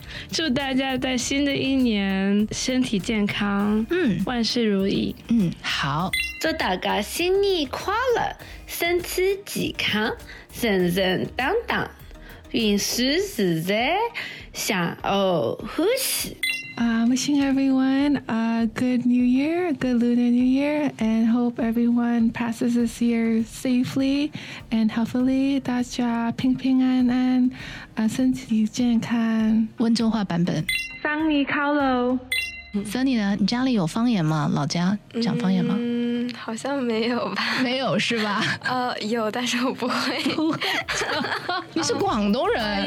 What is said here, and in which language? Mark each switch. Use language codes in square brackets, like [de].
[zh] 祝大家在新的一年身体健康、万事如意。好，祝大家新年快乐，身体健康，人人当当，运势自在，享受呼吸。 [en] Wishing everyone a good new year, good Lunar New Year, and hope everyone passes this year safely and healthily. [zh] 大家平平安安，身体健康。温州话版本。 Sunny Kalo。 Sunny 呢？你家里有方言吗？老家讲方言吗？好像没有吧。没有是吧？有，但是我不会。不会。你是广东人？